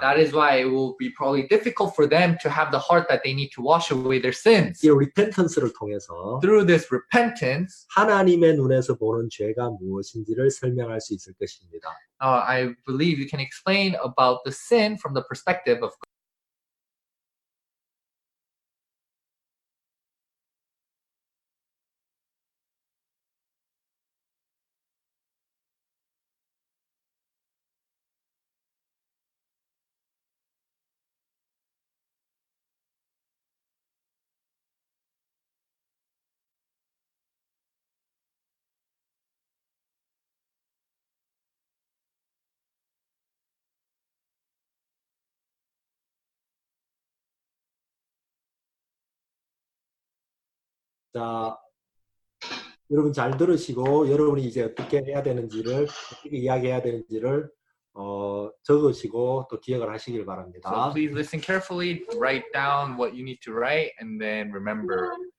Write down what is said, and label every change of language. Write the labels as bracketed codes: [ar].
[en] That is why it will be probably difficult for them to have the heart that they need to wash away their sins. [ko] repentance를 통해서 [en] Through this repentance, [ko] 하나님의 눈에서 보는 죄가 무엇인지를 설명할 수 있을 것입니다. [en] I believe you can explain about the sin from the perspective of God. [ko] 자, 여러분 잘 들으시고, 여러분이 이제 어떻게 해야 되는지를, 어떻게 이야기해야 되는지를, 적으시고, 또 기억을 하시길 [en] So [ko] 바랍니다. [en] please listen carefully, write down what you need to write, and then remember.